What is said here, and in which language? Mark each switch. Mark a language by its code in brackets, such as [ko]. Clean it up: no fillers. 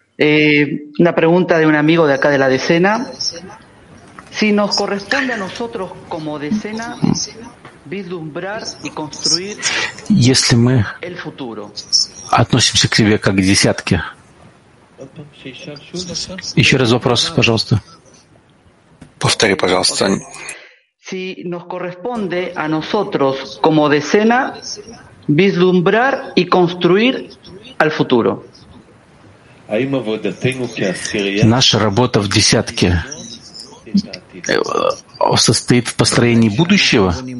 [es] Una pregunta de un amigo de acá de la decena. Si nos corresponde a nosotros como decena vislumbrar y construir el futuro. [ru] Относимся к себе как к десятке. Еще раз вопрос, пожалуйста. Повтори, пожалуйста. [es] Si nos corresponde a nosotros como decena vislumbrar y construir al futuro. [ru] Наша работа в десятке состоит в построении будущего?